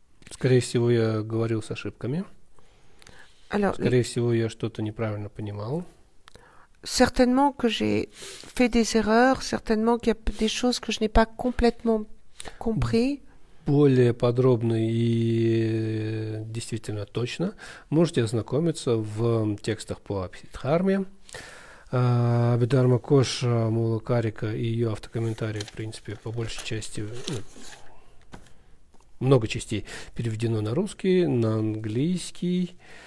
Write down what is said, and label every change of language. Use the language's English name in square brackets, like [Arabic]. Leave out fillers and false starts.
[Russian] Скорее всего, я говорил с ошибками. [French] Alors, [Russian] Скорее всего, я что-то неправильно понимал. [French] certainement que j'ai fait des erreurs, certainement qu'il y a des choses que je n'ai pas complètement compris. [Russian] Более подробно и действительно точно можете ознакомиться в текстах по Абхидхарме. Абидарма Коша, Мула Карика и ее автокомментарии, в принципе, по большей части, много частей переведено на русский, на английский.